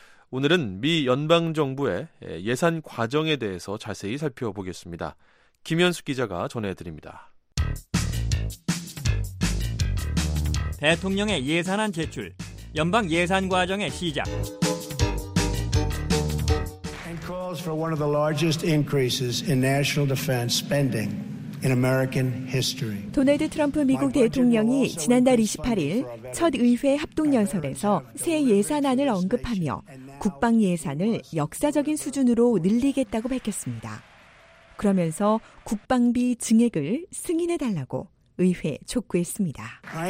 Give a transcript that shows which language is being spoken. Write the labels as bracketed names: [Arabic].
[Korean] 오늘은 미 연방정부의 예산 과정에 대해서 자세히 살펴보겠습니다. 김현숙 기자가 전해드립니다. 대통령의 예산안 제출, 연방 예산 과정의 시작. [English] And calls for one of the largest increases in national defense spending. In American history. [Korean] 도널드 트럼프 미국 대통령이 지난달 28일 첫 의회 합동연설에서 새 예산안을 언급하며 국방 예산을 역사적인 수준으로 늘리겠다고 밝혔습니다. 그러면서 국방비 증액을 승인해달라고 의회에 촉구했습니다.